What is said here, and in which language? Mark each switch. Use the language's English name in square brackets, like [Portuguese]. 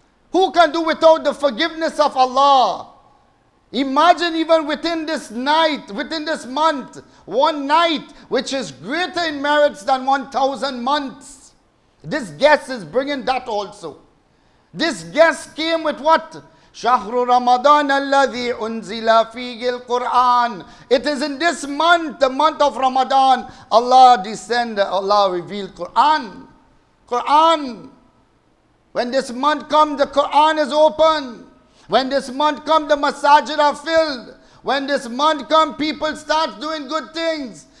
[English] Who can do without the forgiveness of Allah? Imagine even within this night, within this month, one night which is greater in merits than 1,000 months. This guest is bringing that also. This guest came with what? [Arabic] شهر رمضان الذي أنزل فيه القرآن. [English] It is in this month, the month of Ramadan, Allah descend, Allah reveal Quran. Quran. When this month comes, the Quran is open. When this month comes, the masajid are filled. When this month comes, people start doing good things.